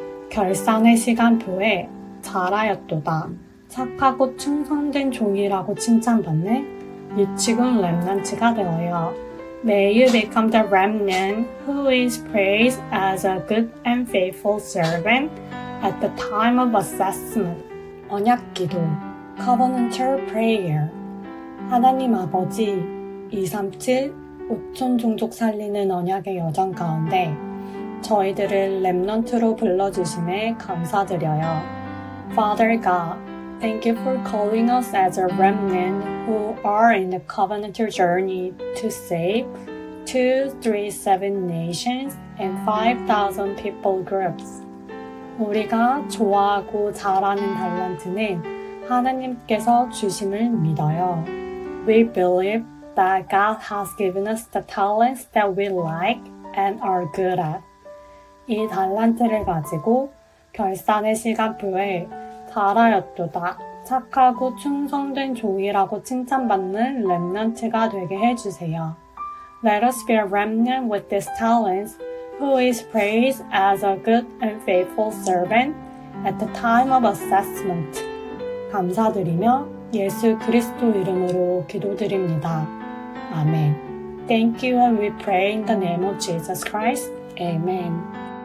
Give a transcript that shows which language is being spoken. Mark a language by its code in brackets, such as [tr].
[ko] 결산의 시간표에 잘하였도다. 착하고 충성된 종이라고 칭찬받는 유치군 렘넌트가 되어요. [en] May you become the remnant who is praised as a good and faithful servant at the time of assessment. [ko] 언약 기도, [en] covenantal prayer. [ko] 하나님 아버지, 237, 5천 종족 살리는 언약의 여정 가운데 저희들을 렘넌트로 불러주심에 감사드려요. [en] Father God, thank you for calling us as a remnant who are in the covenantal journey to save 237 nations and 5,000 people groups. [ko] 우리가 좋아하고 잘하는 달란트는 하나님께서 주심을 믿어요. [en] We believe that God has given us the talents that we like and are good at. [ko] 이 달란트를 가지고 결산의 시간표에 잘하였도다. 착하고 충성된 종이라고 칭찬받는 렘넌트가 되게 해주세요. [en] Let us be a remnant with these talents who is praised as a good and faithful servant at the time of assessment. [ko] 감사드리며 예수 그리스도 이름으로 기도드립니다. [en] 아멘. Thank you and we pray in the name of Jesus Christ. Amen.